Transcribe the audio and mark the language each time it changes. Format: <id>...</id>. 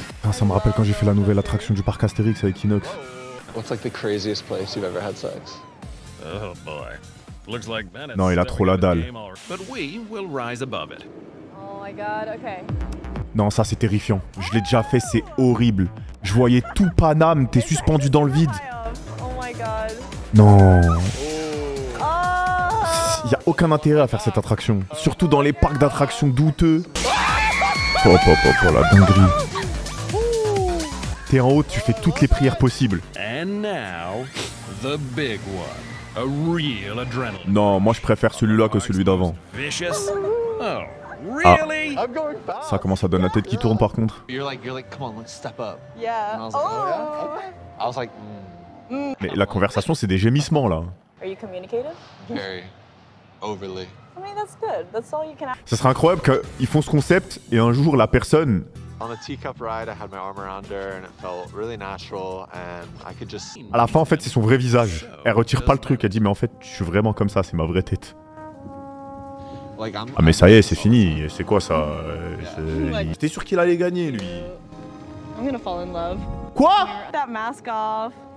<fr>Ça me rappelle quand j'ai fait la nouvelle attraction du parc Astérix avec Inox.</fr> <en>What's like the craziest place you've ever had sex? Oh boy. Looks like Venice.</en> <fr>Non, il a trop la dalle.</fr> <en>But we will rise above it. Oh my god, okay.</en> <fr>Non, ça c'est terrifiant. Je l'ai déjà fait, c'est horrible. Je voyais tout Paname, t'es suspendu dans le vide.</fr> <en>Oh my god.</en> <fr>Non. Oh. Y a aucun intérêt à faire cette attraction, surtout dans les parcs d'attractions douteux. Oh, oh, oh, oh, la dinguerie. T'es en haut, tu fais toutes les prières possibles.</fr> <en>And now, the big one. A real adrenaline.</en> <fr>Non, moi je préfère celui-là que celui d'avant.</fr> <en>Vicious. Oh, really? I'm going fast.</en> <fr>Ça commence à donner la tête qui tourne par contre.</fr> <en>You're like, come on, let's step up. Yeah. And I was like, oh. Yeah. I was like, mm.</en> <fr>Mais la conversation, c'est des gémissements là.</fr> <en>Are you communicative? Very. Overly. I mean, that's good. That's all you can ask.</en> <fr>Ça serait incroyable qu'ils font ce concept et un jour la personne.</fr> <en>On a teacup ride, I had my arm around her and it felt really natural and I could just see.</en> <fr>À la fin, en fait, c'est son vrai visage. Elle retire pas le truc, elle dit mais en fait, je suis vraiment comme ça, c'est ma vraie tête. Ah mais ça y est, c'est fini. C'est quoi ça? J'étais sûr qu'il allait gagner lui.</fr> <en>I'm gonna fall in love.</en> <fr>Quoi?</fr> <en>That mask off.</en>